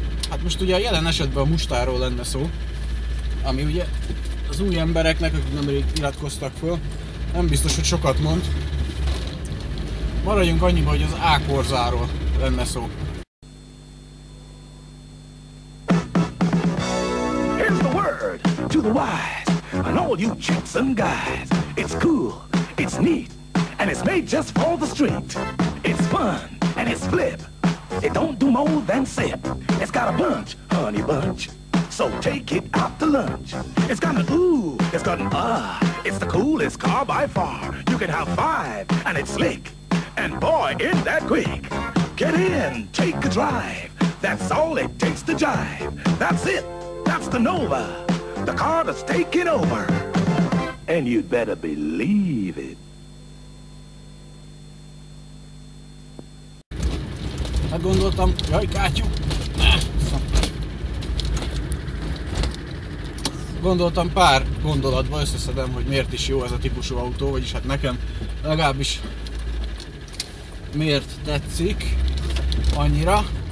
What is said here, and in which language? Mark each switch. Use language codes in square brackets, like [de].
[hu] Hát most ugye a jelen esetben a Mustangról lenne szó, ami ugye az új embereknek, akik nemrég iratkoztak föl, nem biztos, hogy sokat mond. Maradjunk annyiba, hogy az A-korzáról lenne szó. [en] Here's the word to the wise and all you chicks and guys. It's cool, it's neat, and it's made just for the street. It's fun and it's flip. It don't do more than sip. It's got a bunch, honey bunch. So take it out to lunch. It's got an ooh, it's got an It's the coolest car by far. You can have five, and it's slick. And boy, isn't that quick. Get in, take a drive. That's all it takes to jive. That's it, that's the Nova. The car that's taking over. And you'd better believe it. [hu] Hát gondoltam, jaj, kátyú. Gondoltam, pár gondolatba összeszedem, hogy miért is jó ez a típusú autó, vagyis hát nekem legalábbis miért tetszik annyira.